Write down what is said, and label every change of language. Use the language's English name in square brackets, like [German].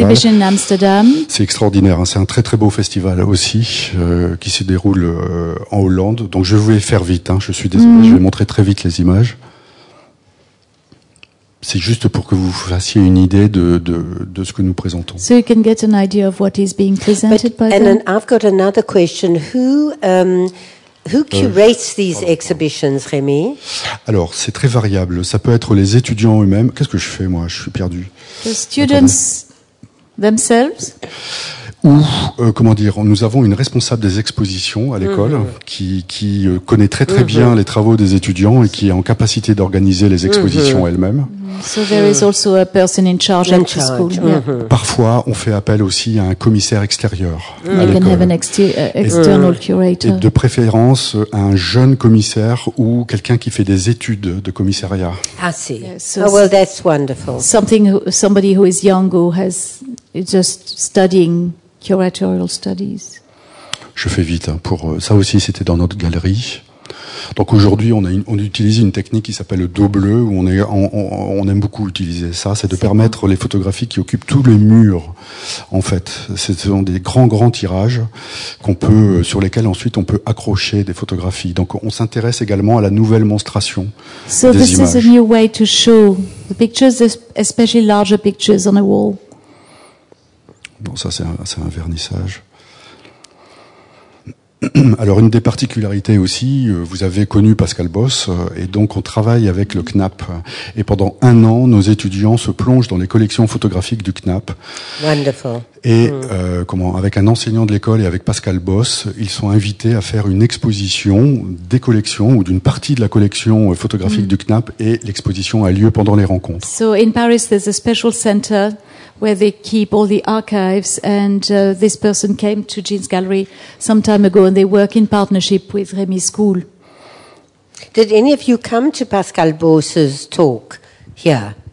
[English] Exhibition in Amsterdam. [French] C'est extraordinaire. Hein. C'est un très très beau festival aussi, qui se déroule en Hollande. Donc je vais faire vite. Hein. Je suis désolé. Mm-hmm. Je vais montrer très vite les images. C'est juste pour que vous fassiez une idée de ce que nous présentons. [English] So you can get an idea of what is being presented by them. And I've got another question. Who curates these exhibitions, Rémi? [French] Alors, c'est très variable. Ça peut être les étudiants eux-mêmes. Qu'est-ce que je fais, moi? Je suis perdu. [English] The students themselves. [French] où, comment dire, nous avons une responsable des expositions à l'école qui connaît très très bien les travaux des étudiants et qui est en capacité d'organiser les expositions elle-même. [English] So there is also a person in charge at the school. [French] Parfois, on fait appel aussi à un commissaire extérieur. [English] You can have an external curator. [French] Et de préférence, un jeune commissaire ou quelqu'un qui fait des études de commissariat. Ah, si. [English] So, oh, well, that's wonderful. Somebody who is young or has just studying curatorial studies. [French] Je fais vite. Pour ça aussi, c'était dans notre galerie. Donc aujourd'hui, on utilise une technique qui s'appelle le dos bleu, où on aime beaucoup utiliser ça, c'est de permettre les photographies qui occupent tous les murs, en fait. Ce sont des grands tirages sur lesquels ensuite on peut accrocher des photographies. Donc on s'intéresse également à la nouvelle monstration des images. [English] So this is a new way to show the pictures, especially larger pictures on a wall. [French] Bon, ça c'est un vernissage. Alors, une des particularités aussi, vous avez connu Pascal Boss, et donc on travaille avec le CNAP. Et pendant un an, nos étudiants se plongent dans les collections photographiques du CNAP. [English] Wonderful. [French] Et avec un enseignant de l'école et avec Pascal Boss, ils sont invités à faire une exposition des collections ou d'une partie de la collection photographique du CNAP, et l'exposition a lieu pendant les rencontres. [English] So in Paris, there's a special center where they keep all the archives, and this person came to Jean's gallery some time ago, and they work in partnership with Rémy School. Did any of you come to Pascal Boss's talk here?